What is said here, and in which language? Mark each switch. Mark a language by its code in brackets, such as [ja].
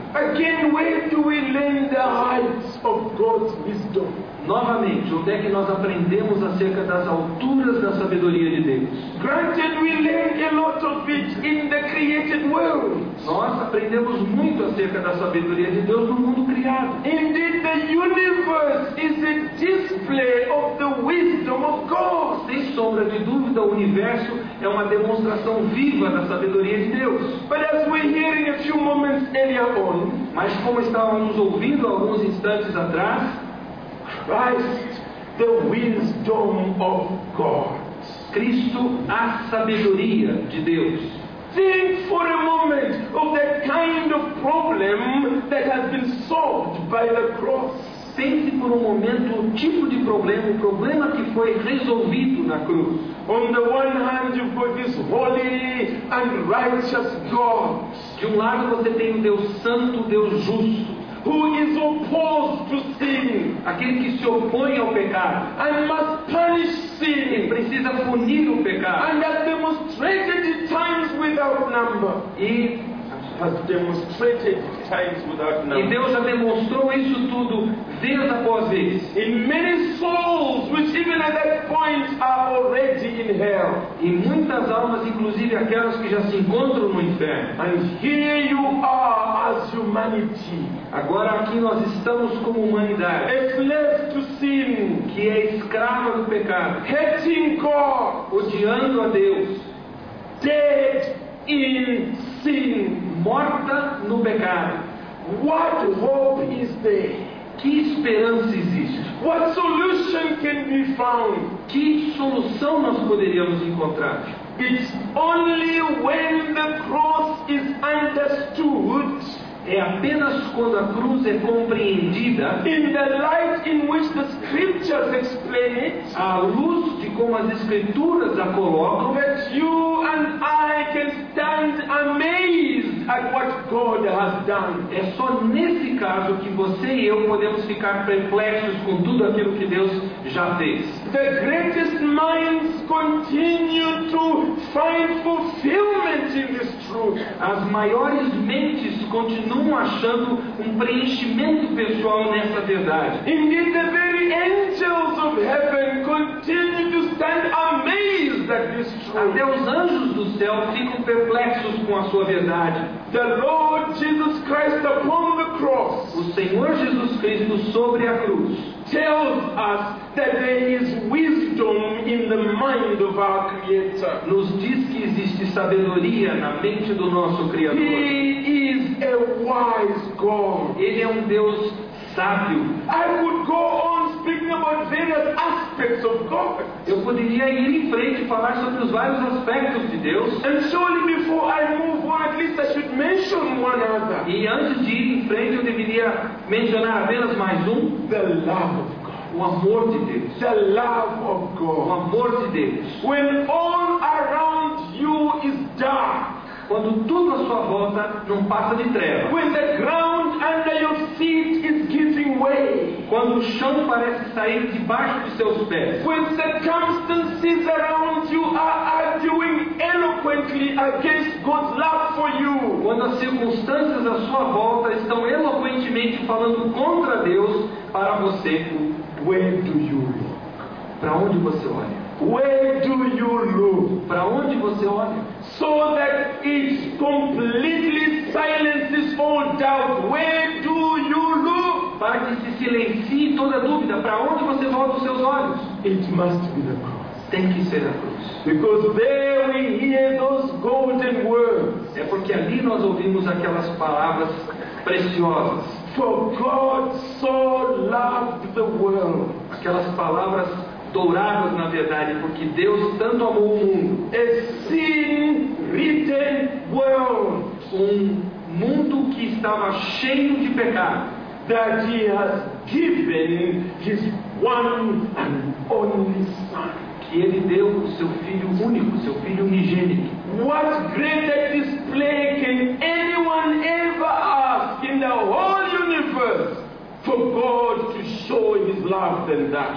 [en] Again, where do we learn the heights of God's wisdom? [pt] Novamente, onde é que nós aprendemos acerca das alturas da sabedoria de Deus? [en] Granted, we learn a lot of it in the created world. [pt] Nós aprendemos muito acerca da sabedoria de Deus no mundo criado. [en] Indeed, the universe is a display of the wisdom of God. [pt] Sem sombra de dúvida, o universo é uma demonstração viva da sabedoria de Deus. [en] But as we hear in a few moments earlier on, [pt] Mas como estávamos ouvindo alguns instantes atrás, [en] Christ, the wisdom of God. [pt] Cristo, a sabedoria de Deus. [en] Think for a moment of the kind of problem that has been solved by the cross. [pt] Pense por momento o tipo de problema, o problema que foi resolvido na cruz. [en] On the one hand, you have this holy and righteous God. [pt] De lado você tem o Deus Santo, Deus Justo. [en] Who is opposed to sin. [pt] Aquele que se opõe ao pecado. [en] And must punish sin. [pt] E precisa punir o pecado. [en] And has demonstrated it times without number. [pt] E Deus já demonstrou isso tudo vez após vez. [en] In many souls, which even at that point are already in hell. [pt] E muitas almas, inclusive aquelas que já se encontram no inferno. [en] And here you are as humanity. [pt] Agora aqui nós estamos como humanidade. [en] Slave to sin, [pt] que é escrava do pecado. [en] Hating God, [pt] odiando a Deus. [en] Dead in sin, [pt] morta no pecado. [en] What hope is there? [pt] Que esperança existe? [en] What solution can be found? [pt] Que solução nós poderíamos encontrar? [en] It's only when the cross is understood. [pt] É apenas quando a cruz é compreendida. [en] In the light in which the scriptures explain it. [pt] À luz de como as escrituras a colocam. [en] That you and I can stand amazed at what God has done. [pt] É só nesse caso que você e eu podemos ficar perplexos com tudo aquilo que Deus já fez. [en] The greatest minds continue to find fulfillment in this truth. [pt] As maiores mentes continuam não achando preenchimento pessoal nessa verdade. [en] Indeed, the very angels of heaven continue to stand amazed at this truth. [pt] Até os anjos do céu ficam perplexos com a sua verdade. [en] The Lord Jesus Christ upon the cross. [pt] O Senhor Jesus Cristo sobre a cruz. [en] Tells us that there is wisdom in the mind of our Creator. [pt] Nos diz que existe sabedoria na mente do nosso Criador. [en] He is a wise God. [pt] Ele é Deus sábio. [en] I would go on speaking about various aspects of God. [pt] Eu poderia ir em frente e falar sobre os vários aspectos de Deus. [en] And surely before I move on, at least I should mention one other. [pt] E antes de ir em frente, eu deveria mencionar apenas mais [en] The love of God. [pt] O amor de Deus. [en] The love of God. [pt] O amor de Deus. [en] When all around you is dark. [pt] Quando tudo à sua volta não passa de treva. [en] When the ground under your feet is giving way. [pt] Quando o chão parece sair debaixo de seus pés. [en] When circumstances around you are arguing eloquently against God's love for you. [pt] Quando as circunstâncias à sua volta estão eloquentemente falando contra Deus para você. [en] Where do you look? [pt] Para onde você olha? [en] Where do you look? [pt] Para onde você olha? [en] So that it completely silences all doubt. Where do you look? [pt] Para que se silencie toda dúvida. Para onde você volta os seus olhos? [en] It must be the cross. [pt] Tem que ser a cruz. [en] Because there we hear those golden words. [pt] É porque ali nós ouvimos aquelas palavras preciosas. [en] For God so loved the world. [pt] Aquelas palavras douradas, na verdade, porque Deus tanto amou o mundo. [en] A sin-ridden world. [pt] Um mundo que estava cheio de pecado. [en] That he has given his one and only son. [pt] Que ele deu o seu filho único, seu filho unigênito. [en] What greater display can anyone ever ask in the whole universe? For God to show his love than that.